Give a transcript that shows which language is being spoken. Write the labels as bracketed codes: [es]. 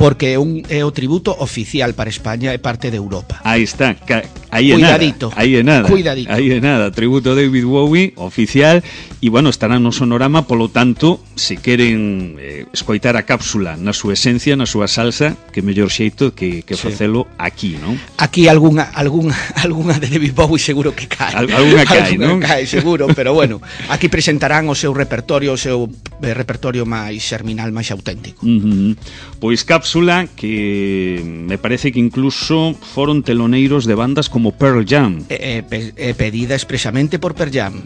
[gl] Porque é o tributo oficial para España e parte de Europa. Aí está. Aí é [es] cuidadito. [gl] Nada. Aí é nada. [es] Cuidadito. [gl] Aí é nada. Tributo a David Bowie, oficial. E, bueno, estarán no Sonorama, polo tanto, se queren escoitar a Cápsula na súa esencia, na súa salsa, que mellor xeito que facelo aquí, non? [es] Aquí alguna de David Bowie seguro que cae. Alguna cae, alguna, [gl] non? Cae, seguro, pero, bueno, aquí presentarán o seu repertorio máis xerminal, máis auténtico. Pois Cápsula, que me parece que incluso foron teloneiros de bandas como Pearl Jam. Pedida expresamente por Pearl Jam.